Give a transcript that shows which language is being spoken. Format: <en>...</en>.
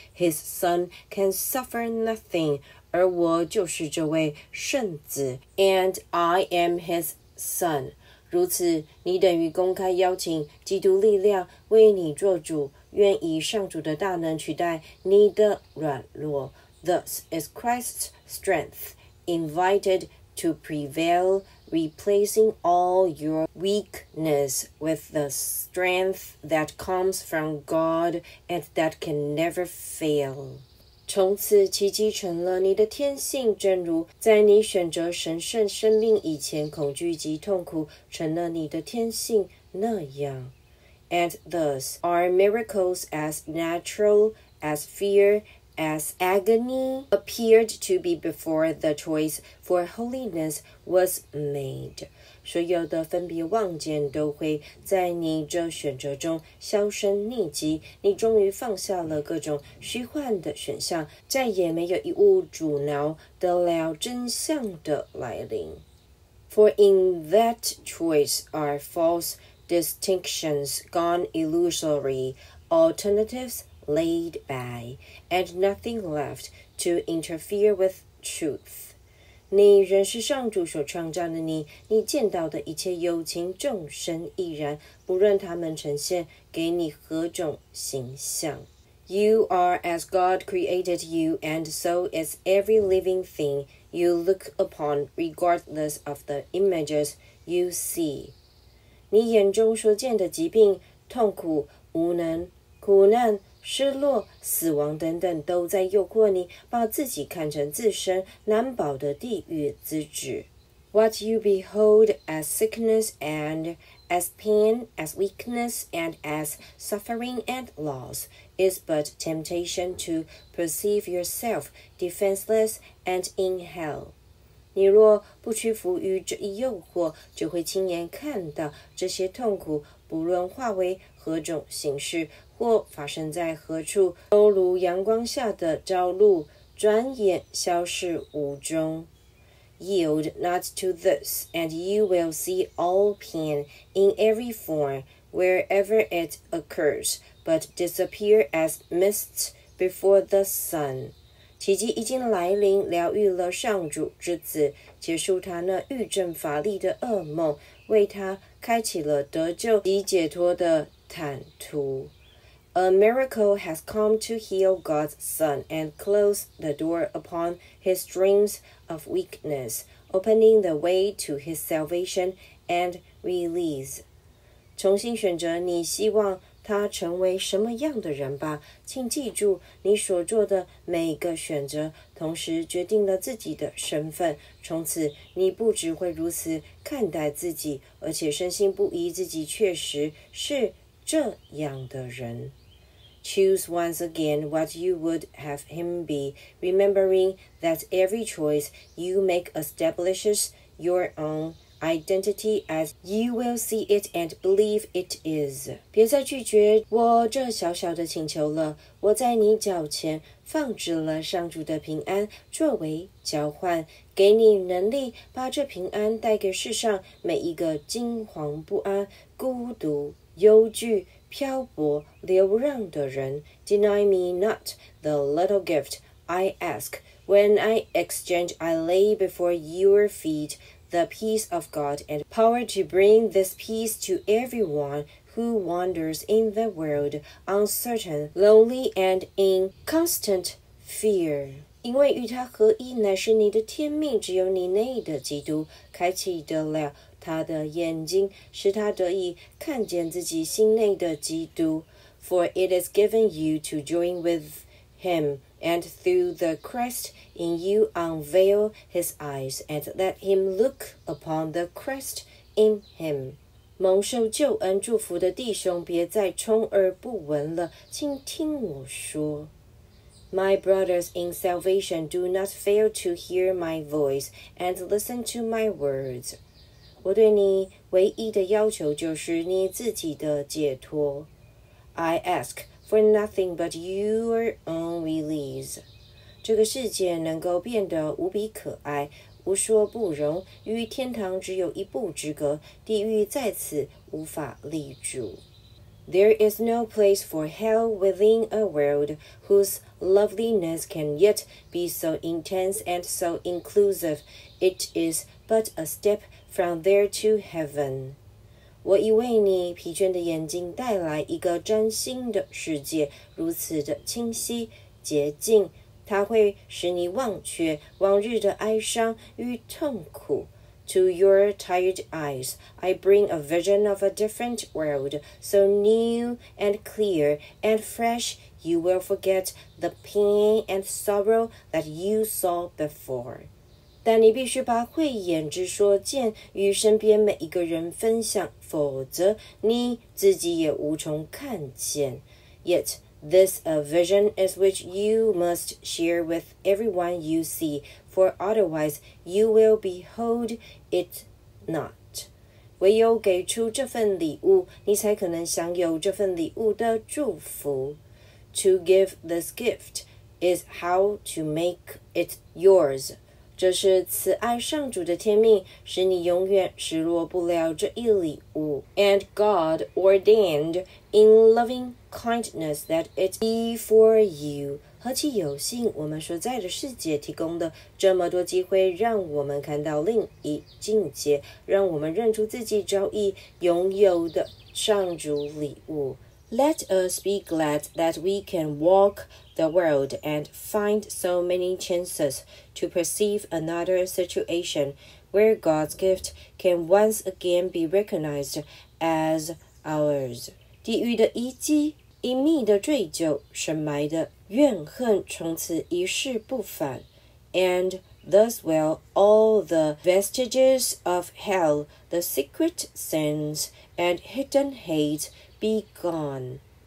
<en>His son can suffer nothing.</en> <zh>而我就是这位圣子。</zh> <en>And I am his son.</en> <zh>如此你等于公开邀请基督力量为你做主，愿以上主的大能取代你的软弱。</zh> <en>Thus is Christ's strength invited to prevail, replacing all your weakness with the strength that comes from God and that can never fail.</en> <zh>从此奇迹成了你的天性，正如在你选择神圣生命以前，恐惧及痛苦成了你的天性那样。</zh> <en>And thus are miracles as natural as fear. As agony appeared to be before the choice for holiness was made.</en> <zh>所有的分别妄见都会在你这选择中销声匿迹。你终于放下了各种虚幻的选项，再也没有一物阻挠得了真相的来临。</zh> <en>For in that choice are false distinctions gone illusory, alternatives laid by, and nothing left to interfere with truth.</en> <zh>你仍是上主所创造的你，你见到的一切有情众生亦然，不论他们呈现给你何种形象。</zh> <en>You are as God created you, and so is every living thing you look upon, regardless of the images you see.</en> <zh>你眼中所见的疾病、痛苦、无能、苦难、失落、死亡等等，都在诱惑你把自己看成自身难保的地狱之子。</zh> <en>What you behold as sickness and as pain, as weakness, and as suffering and loss is but temptation to perceive yourself defenseless and in hell.</en> <zh>你若不屈服于这一诱惑，就会亲眼看到这些痛苦，不论化为何种形式或发生在何处，都如阳光下的朝露，转眼消逝无踪。</zh> <en>Yield not to this, and you will see all pain in every form, wherever it occurs, but disappear as mists before the sun.</en> <zh>奇迹已经来临，疗愈了上主之子，结束他那愈症乏力的噩梦，为他开启了得救及解脱的坦途。</zh> <en>A miracle has come to heal God's son and close the door upon his dreams of weakness, opening the way to his salvation and release.</en> <zh>重新选择你希望他成为什么样的人吧，请记住你所做的每一个选择同时决定了自己的身份，从此你不只会如此看待自己，而且深信不疑自己确实是这样的人。</zh> <en>Choose once again what you would have him be, remembering that every choice you make establishes your own identity as you will see it and believe it is.</en> <zh>别再拒绝我这小小的请求了，我在你脚前放置了上主的平安作为交换，给你能力把这平安带给世上每一个惊惶不安、孤独、忧惧、漂泊流浪的人。</zh> <en>Deny me not the little gift I ask when I exchange I lay before your feet the peace of God and power to bring this peace to everyone who wanders in the world uncertain, lonely, and in constant fear.</en> <zh>因为与他合一乃是你的天命，只有你内的基督开启得了他的眼睛，使他得以看见自己心内的基督。</zh> <en>For it is given you to join with him, and through the Christ in you unveil his eyes, and let him look upon the Christ in him.</en> <zh>蒙受救恩祝福的弟兄，别再充耳不闻了，请听我说。</zh> <en>My brothers in salvation, do not fail to hear my voice, and listen to my words.</en> <zh>我对你唯一的要求就是你自己的解脱。</zh> <en>I ask for nothing but your own release.</en> <zh>这个世界能够变得无比可爱，无说不容，与天堂只有一步之隔，地狱在此无法立足。</zh> <en>There is no place for hell within a world whose loveliness can yet be so intense and so inclusive. It is but a step from there to heaven.</en> <zh>我已为你疲倦的眼睛带来一个崭新的世界，如此的清晰洁净，它会使你忘却往日的哀伤与痛苦。</zh> <en>To your tired eyes, I bring a vision of a different world, so new and clear and fresh, you will forget the pain and sorrow that you saw before.</en> <zh>但你必须把慧眼之说见与身边每一个人分享，否则你自己也无从看见。</zh> <en>Yet, this a vision is which you must share with everyone you see,For otherwise, you will behold it not.</en> <zh>唯有给出这份礼物，你才可能享有这份礼物的祝福。</zh> <en>To give this gift is how to make it yours.</en> <zh>这是慈爱上主的天命，使你永远失落不了这一礼物。</zh> <en>And God ordained in loving kindness that it be for you.</en> <zh>何其有幸我们所在的世界提供的这么多机会，让我们看到另一境界，让我们认出自己早已拥有的上主礼物。</zh> <en>Let us be glad that we can walk the world and find so many chances to perceive another situation where God's gift can once again be recognized as ours.</en> <zh>地狱的遗迹，隐秘的追究，深埋的怨恨从此一世不返。</zh> <en>And thus will all the vestiges of hell, the secret sins, and hidden hate be gone.</en>